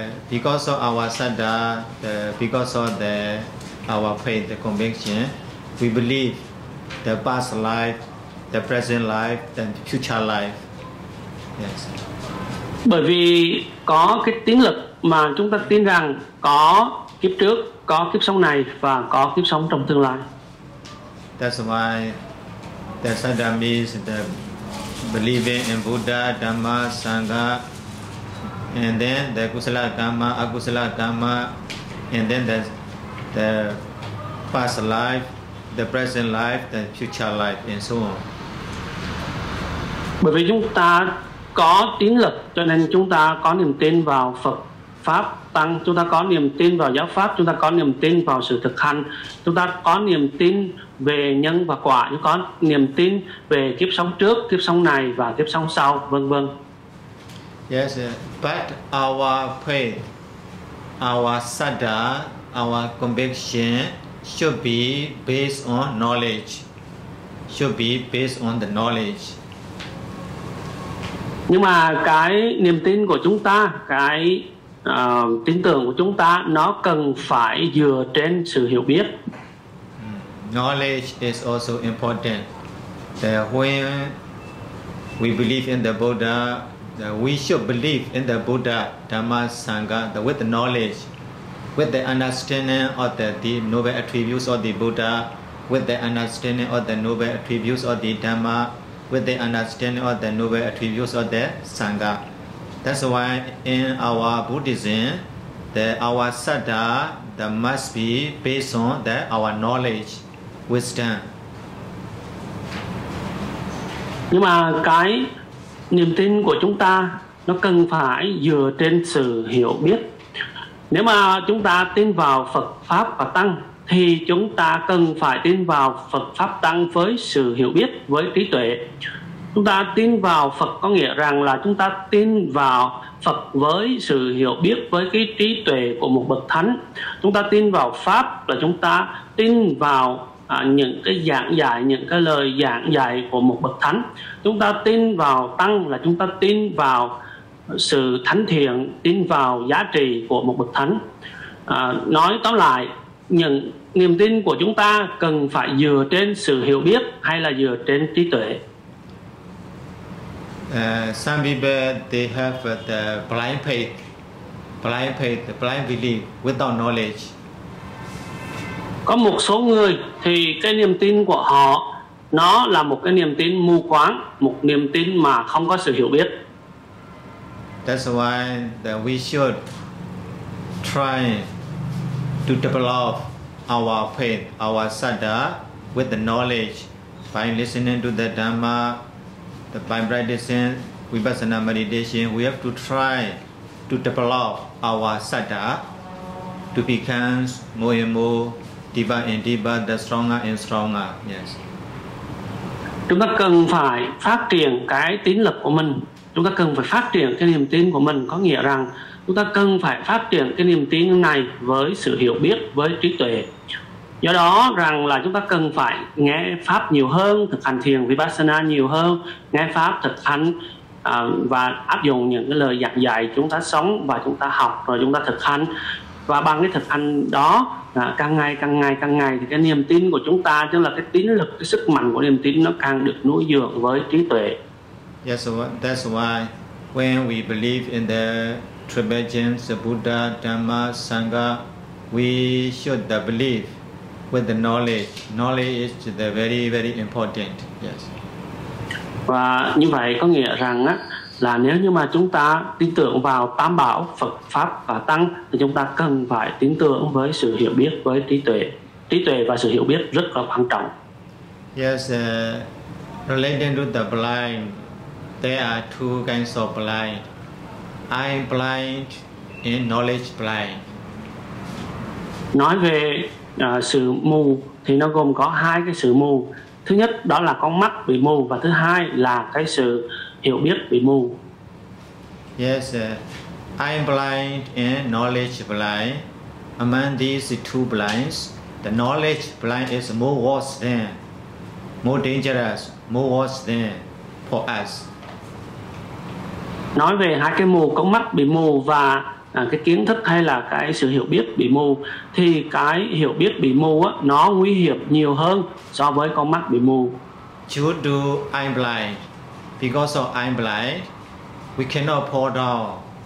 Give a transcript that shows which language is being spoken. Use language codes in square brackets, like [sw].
[en] Because of our saddha, because of our faith, the conviction, we believe the past life, the present life and future life. Yes. [vi] Bởi vì có cái tiếng lực mà chúng ta tin rằng có kiếp trước, có kiếp sống này và có kiếp sống trong tương lai. [en] That's why the Sadamis, the believing in Buddha, Dhamma, Sangha, and then the Kusala Kama, Akusala Kama, and then the past life, the present life, the future life, and so on. [vi] Bởi vì chúng ta có tín lực, cho nên chúng ta có niềm tin vào Phật, Pháp, Tăng, chúng ta có niềm tin vào giáo Pháp, chúng ta có niềm tin vào sự thực hành, chúng ta có niềm tin về nhân và quả, chúng ta có niềm tin về kiếp sống trước, kiếp sống này và kiếp sống sau, vân vân. [en] Yes, but our faith, our sadha, our conviction should be based on knowledge, should be based on the knowledge. [vi] Nhưng mà cái niềm tin của chúng ta, cái tín tưởng của chúng ta, nó cần phải dựa trên sự hiểu biết. [en] Knowledge is also important. That when we believe in the Buddha, that we should believe in the Buddha, Dhamma, Sangha, that with the knowledge, with the understanding of the noble attributes of the Buddha, with the understanding of the noble attributes of the Dhamma, with the understanding of the noble attributes of the Sangha. That's why in our Buddhism, our sadha that must be based on our knowledge, wisdom. [vi] Nhưng mà cái niềm tin của chúng ta nó cần phải dựa trên sự hiểu biết. Nếu mà chúng ta tin vào Phật, Pháp và Tăng, thì chúng ta cần phải tin vào Phật, Pháp, Tăng với sự hiểu biết, với trí tuệ. Chúng ta tin vào Phật có nghĩa rằng là chúng ta tin vào Phật với sự hiểu biết, với cái trí tuệ của một bậc thánh. Chúng ta tin vào Pháp là chúng ta tin vào những cái giảng dạy, những cái lời giảng dạy của một bậc thánh. Chúng ta tin vào Tăng là chúng ta tin vào sự thánh thiện, tin vào giá trị của một bậc thánh. Nói tóm lại, những niềm tin của chúng ta cần phải dựa trên sự hiểu biết hay là dựa trên trí tuệ. [en] Some people they have the blind faith, blind belief without knowledge. [vi] Có một số người thì cái niềm tin của họ nó là một cái niềm tin mù quáng, một niềm tin mà không có sự hiểu biết. [en] That's why that we should try to develop our faith, our sadha with the knowledge by listening to the Dhamma, the by practicing vipassana meditation. We have to try to develop our sadha to become more and more deeper and deeper, the stronger and stronger. Yes. [vi] Chúng ta cần phải phát triển cái tín lực của mình. Chúng ta cần phải phát triển cái niềm tin của mình, có nghĩa rằng chúng ta cần phải phát triển cái niềm tin này với sự hiểu biết, với trí tuệ. Do đó rằng là chúng ta cần phải nghe Pháp nhiều hơn, thực hành thiền Vipassana nhiều hơn, nghe Pháp, thực hành và áp dụng những cái lời giảng dạy chúng ta sống và chúng ta học rồi chúng ta thực hành. Và bằng cái thực hành đó, càng ngày thì cái niềm tin của chúng ta, tức là cái tín lực, cái sức mạnh của niềm tin nó càng được nuôi dưỡng với trí tuệ. [en] Yes, so that's why when we believe in the traditions, the Buddha, Dhamma, Sangha, we should the belief with the knowledge. Knowledge is the very, very important. Yes. [vi] Và như vậy có nghĩa rằng á, là nếu như mà chúng ta tin tưởng vào Tam Bảo, Phật, Pháp và Tăng, thì chúng ta cần phải tin tưởng với sự hiểu biết, với trí tuệ. Trí tuệ và sự hiểu biết rất là quan trọng. [en] Yes, relating to the blind, there are two kinds of blind. Eye blind and knowledge blind. [vi] Nói về sự mù thì nó gồm có hai cái sự mù. Thứ nhất đó là con mắt bị mù và thứ hai là cái sự hiểu biết bị mù. [en] Yes, eye blind and knowledge blind. Among these two blinds, the knowledge blind is more worse than, more dangerous, more worse than for us. [vi] Nói về hai cái mù, con mắt bị mù và cái kiến thức hay là cái sự hiểu biết bị mù, thì cái hiểu biết bị mù á, nó nguy hiểm nhiều hơn so với con mắt bị mù. [en] should do I'm blind. Because of I'm blind, we cannot pour down.